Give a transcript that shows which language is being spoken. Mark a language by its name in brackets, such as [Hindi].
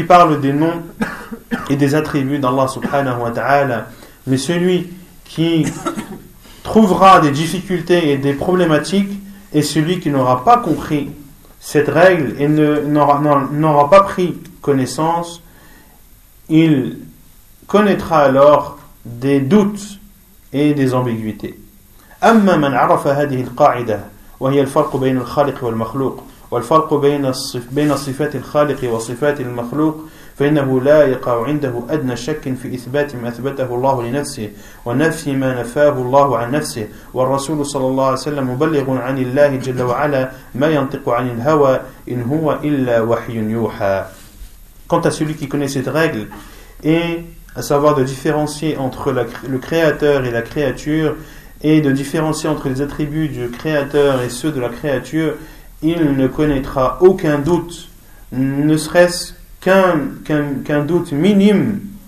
[French] qui parle des noms et des attributs d'Allah subhanahu wa ta'ala, mais celui qui trouvera des difficultés et des problématiques est celui qui n'aura pas compris cette règle et n'aura pas pris connaissance. Il connaîtra alors des doutes et des ambiguïtés. [Arabic] أما من عرف هذه القاعدة وهي الفرق بين الخالق والمخلوق والفرق بين صفات الخالق وصفات المخلوق فإنه لا يقع عنده أدنى شك في إثبات ما أثبته الله لنفسه ونفي ما نفاه الله عن نفسه والرسول صلى الله عليه وسلم مبلغ عن الله جل وعلا ما ينطق عن الهوى إن هو إلا وحي يوحى. [French] Quant à celui qui connaît cette règle, et à savoir de différencier entre le créateur et la créature, et de différencier entre les attributs du Créateur et ceux de la créature, il ne connaîtra aucun doute, ne serait-ce qu'un doute minime